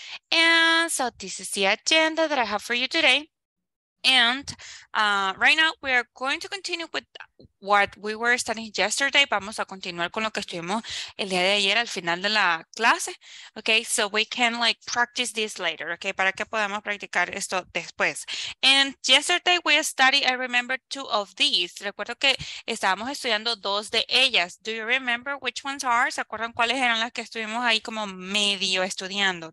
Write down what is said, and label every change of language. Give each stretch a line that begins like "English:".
English: And so this is the agenda that I have for you today. And right now we are going to continue with what we were studying yesterday.
Spanish: Vamos a continuar con lo que estuvimos el día de ayer al final de la clase.
English: Okay, so we can like practice this later. Okay,
Spanish: para que podamos practicar esto después.
English: And yesterday we studied, I remember, 2 of these.
Spanish: Recuerdo que estábamos estudiando 2 de ellas.
English: Do you remember which ones are?
Spanish: ¿Se acuerdan cuáles eran las que estuvimos ahí como medio estudiando?